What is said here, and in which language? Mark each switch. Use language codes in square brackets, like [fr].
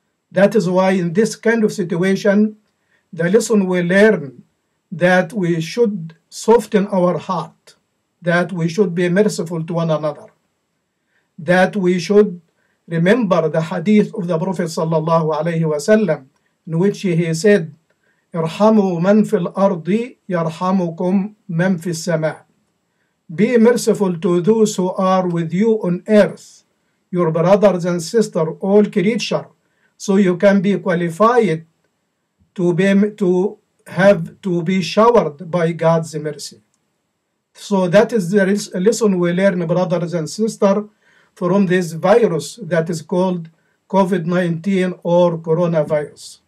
[en] That is why in this kind of situation, the lesson we learn that we should soften our heart, that we should be merciful to one another, that we should remember the hadith of the Prophet sallallahu alaihi wasallam, in which he said, [ar] ارحموا من في الأرض يرحمكم من في السماء. [en] Be merciful to those who are with you on earth, your brothers and sisters, all creatures, so you can be qualified to be to have to be showered by God's mercy. So that is the lesson we learn, brothers and sisters, from this virus that is called COVID-19 or coronavirus.